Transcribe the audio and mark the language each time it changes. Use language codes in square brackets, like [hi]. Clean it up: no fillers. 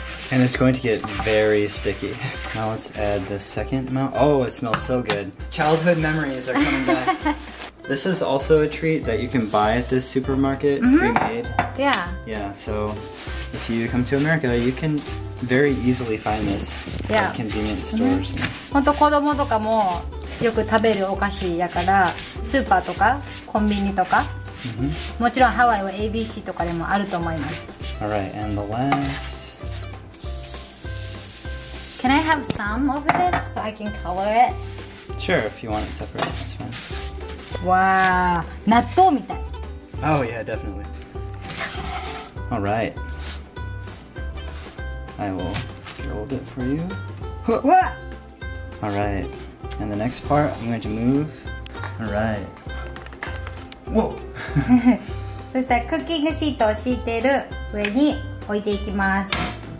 [en] And it's going to get very sticky. Now let's add the second amount. Oh, it smells so good. Childhood memories are coming back. This is also a treat that you can buy at this supermarket, mm-hmm. pre-made. Yeah. Yeah, so if you come to America, you can very easily find this yeah. at convenience stores. [ja] 本当子供とかもよく食べるお菓子やから、スーパーとかコンビニとか、もちろんハワイは ABC とかでもあると思います。 [en] All right, and the last. Can I have some of this so I can color it? Sure, if you want it separate, that's fine. [ja] Wow, 納豆みたい [en] Oh yeah, definitely. All right. I will fold it for you. What? All right. And the next part, I'm going to move. All right. Whoa. [ja] そしたらクッキングシートを敷いている上に置いていきます。